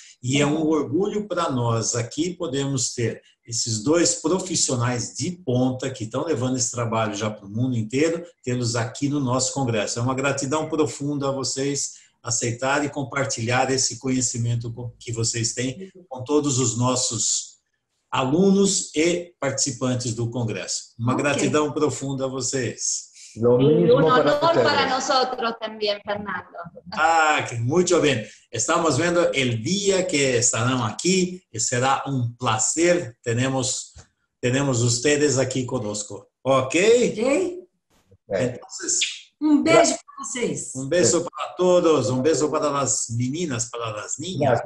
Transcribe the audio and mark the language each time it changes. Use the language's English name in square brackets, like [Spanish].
[Portuguese] E é um orgulho para nós aqui podermos ter esses dois profissionais de ponta que estão levando esse trabalho já para o mundo inteiro, tê-los aqui no nosso congresso. É uma gratidão profunda a vocês aceitarem e compartilhar esse conhecimento que vocês têm com todos os nossos alunos e participantes do congresso. Uma gratidão profunda a vocês. [Spanish] Lo mismo y un honor para nosotros también, Fernando. Ah, que mucho bien. Estamos viendo el día que estarán aquí y será un placer tenemos ustedes aquí conosco. ¿Ok? Entonces, un beso para vocês. Un beso para todos, un beso para las meninas, para las niñas.